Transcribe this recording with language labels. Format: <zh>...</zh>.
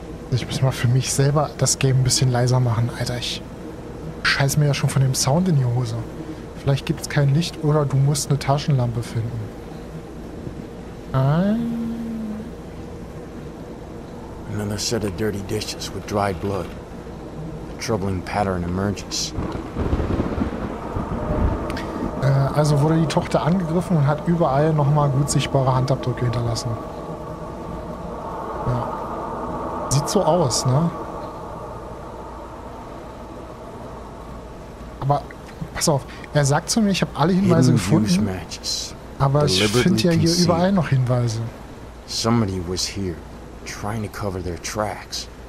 <de>Ich muss mal für mich selber das Game ein bisschen leiser machen. Alter, ich scheiß mir ja schon von dem Sound in die Hose. Vielleicht gibt es kein Licht oder du musst eine Taschenlampe finden.</de> <en>Another set of dirty dishes with dried blood. A troubling pattern emerges.</en> <de>Also wurde die Tochter angegriffen und hat überall nochmal gut sichtbare Handabdrücke hinterlassen. Ja. Sieht so aus, ne? Aber, pass auf, er sagt zu mir, ich habe alle Hinweise gefunden. Aber ich finde ja hier überall noch Hinweise.</de> <en>Somebody was here. Trying to cover their tracks.</en>